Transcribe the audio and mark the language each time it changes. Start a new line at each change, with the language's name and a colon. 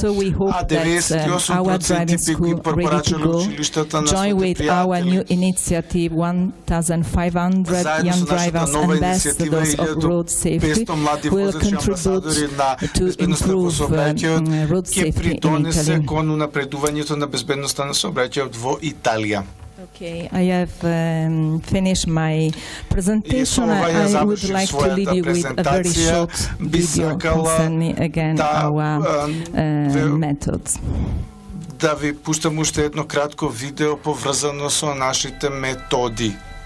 English: So we hope that our driving school ready to go join with our new initiative 1,500 young drivers ambassadors of road safety will contribute to improve road safety in Italy.
Macedonian: Кон унапредувањето на безбедноста на сообраќајот во Италија.
English: Okay, I have finished my presentation. I would like to leave you with a very short video concerning again our methods.
Macedonian: Да ви пуштам уште едно кратко видео поврзано со нашите методи.